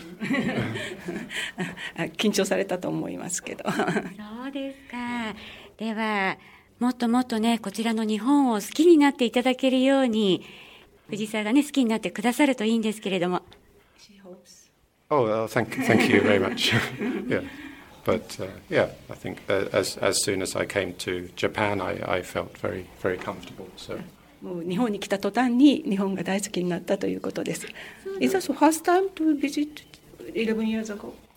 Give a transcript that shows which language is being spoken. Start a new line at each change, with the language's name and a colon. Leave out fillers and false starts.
Japanese: 緊張されたと思いますけど。そうですか。では、もっともっとね、こちらの日本を好きになっていただけるように、藤沢がね、好きになってくださるといいんですけれども。
English: She hopes. Oh, thank you very much. Yeah. But, yeah, I think as soon as I came to Japan, I felt very, very comfortable, so...
Japanese: もう日本に来た途端に日本が大好きになったということです。
English: Is that the first time to visit 11 years ago?